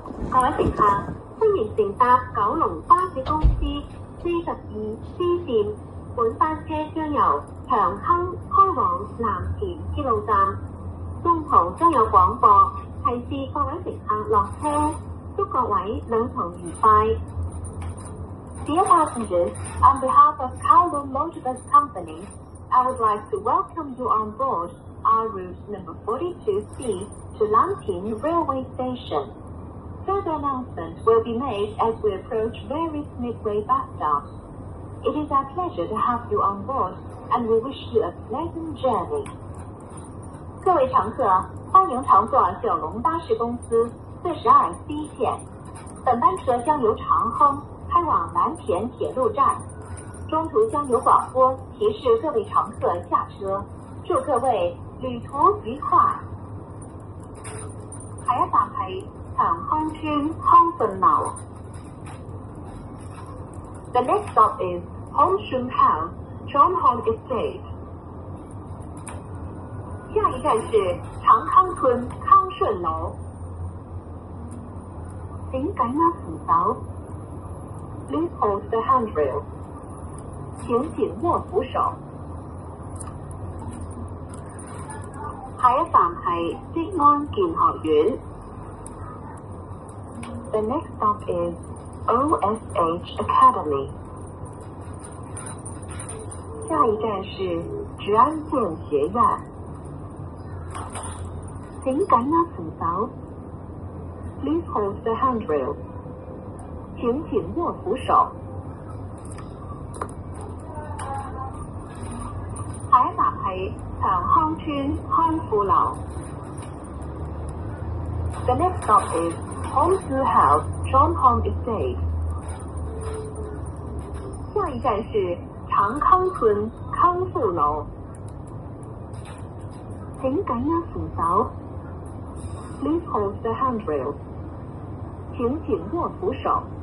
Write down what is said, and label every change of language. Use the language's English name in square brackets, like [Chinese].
[Chinese] 各位乘客，欢迎乘搭九龙巴士公司42C 线。本班车将由长亨开往蓝田铁路站，中途将有广播提示各位乘客落车，祝各位旅途愉快。 [English] Dear passengers, on behalf of Kowloon Motor Bus Company, I would like to welcome you on board our route number 42C to Lanting Railway Station. Further announcements will be made as we approach various midway bus stops. It is our pleasure to have you on board, and we wish you a pleasant journey. [Chinese] 各位乘客，欢迎乘坐九龙巴士公司42C 线。本班车将由长亨开往蓝田铁路站，中途将有广播提示各位乘客下车，祝各位旅途愉快。下一站是长亨村康顺楼。 [English] The next stop is Hong Shun Town, John Hong Estate. [Chinese] 下一站是长康村康顺楼。请紧握扶手。 [English] Please hold the handrail. [Chinese] 请紧握扶手。下一站是积安建学院。 [English] The next stop is OSH Academy. [Chinese] 下一站是治安建学院。请紧握扶手。 [English] Please hold the handrail. [Chinese] 请紧握扶手。下一站是长康村康富楼。 [English] The next stop is Hong Su House, John Hong Estate. [Chinese] 下一站是长康村康富楼。请紧握扶手。 [English] Please hold the handrail. [Chinese] 请紧握扶手。